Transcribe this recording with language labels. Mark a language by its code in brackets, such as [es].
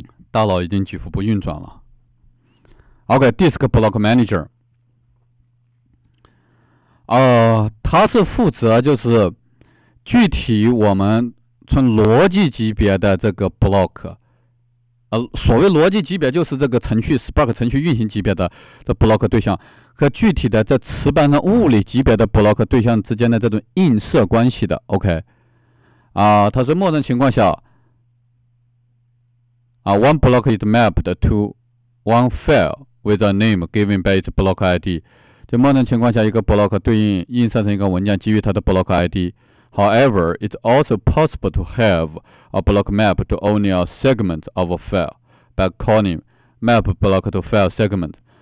[zh] 大脑已经几乎不运转了。OK，Disk Block Manager， 它是负责就是具体我们从逻辑级别的这个 block， 所谓逻辑级别就是这个程序 Spark 程序运行级别的这 block 对象和具体的在磁盘上物理级别的 block 对象之间的这种映射关系的。 OK， 它是默认情况下。 [en] One block is mapped to one file with a name given by its block ID。 [zh] 就默认情况下一个 block 对应映射成一个文件基于它的 block ID。 [en] However, it's also possible to have a block map to only a segment of a file by calling map block to file segment。